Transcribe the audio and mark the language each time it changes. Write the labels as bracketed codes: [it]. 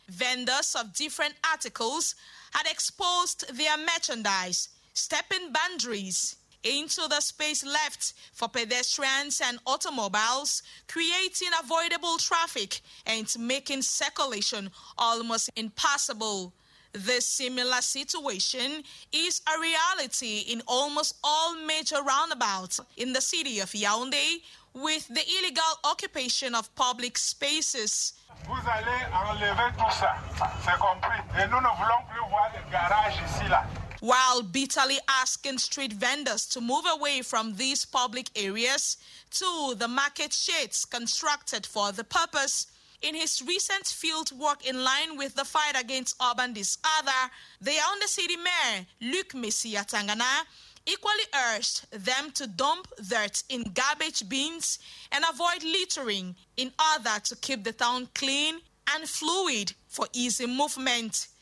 [en] Vendors of different articles had exposed their merchandise, stepping boundaries into the space left for pedestrians and automobiles, creating avoidable traffic and making circulation almost impossible. This similar situation is a reality in almost all major roundabouts in the city of Yaoundé, with the illegal occupation of public spaces. [fr] Vous allez enlever tout ça, c'est compris. Et nous ne voulons plus voir de garage ici là. [en] While bitterly asking street vendors to move away from these public areas to the market sheds constructed for the purpose, in his recent field work in line with the fight against urban disorder, the Yaoundé City Mayor, Luc Messia Tangana, equally urged them to dump dirt in garbage bins and avoid littering in order to keep the town clean and fluid for easy movement.